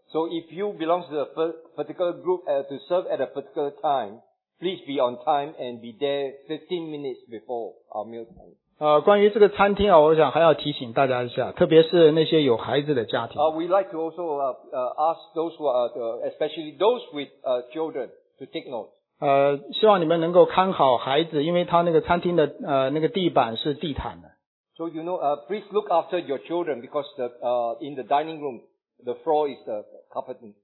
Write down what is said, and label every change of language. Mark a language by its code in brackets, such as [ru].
[en] So if you belong to the particular group to serve at a particular time, please be on time and be there 15 minutes before our meal time. [zh] 关于这个餐厅啊，我想还要提醒大家一下，特别是那些有孩子的家庭。 [en] We like to also ask those who are, especially those with children, to take note. [zh] 希望你们能够看好孩子，因为他那个餐厅的那个地板是地毯的。 [en] So you know, please look after your children because the in the dining room, the floor is the carpet.